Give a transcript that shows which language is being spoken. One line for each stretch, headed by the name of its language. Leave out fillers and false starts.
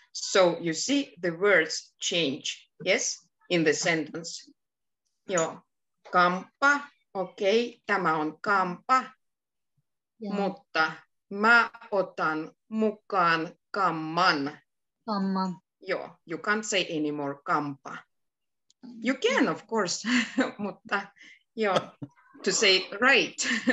English: So you see the words change, yes, in the sentence.
Finnish: Joo, kampa. Okei, tämä on kampa, mutta mä otan mukaan kamman. Kamman.
English: Joo, you can't say anymore kampa. You can, of course,
Finnish: mutta joo,
English: to say right.